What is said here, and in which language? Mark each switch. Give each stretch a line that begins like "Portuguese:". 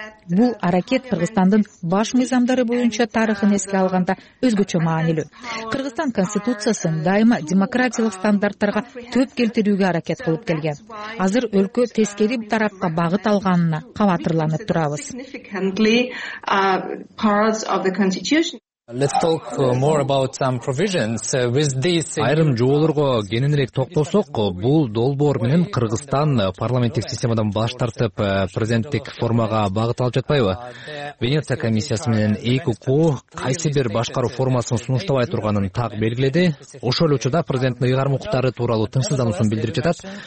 Kyrgyz: Бул аракет Кыргызстандын баш мыйзамдары боюнча тарыхын эске алганда өзгөчө маанилүү. Кыргызстан конституциясын дайыма демократиялык стандарттарга төп келтирүүгө аракет кылып келген. Азыр өлкө тескери тарапка багыт алганына кабатырланып турабыз.
English: Let's talk more about some provisions with this.
Kyrgyz: Айрым жоолорго кененирээк токтолсок, бул долбоор менен Кыргызстан парламенттик системадан баш тартып президенттик формага багыт алып жатпайбы? Венеция комиссиясы менен ЭКК кайсы бир башкаруу формасын сунуштабай турганын так белгиледи. Ошол учурда президенттин ыйгарым укуктары тууралуу тынчсыздануусун билдирип жатат.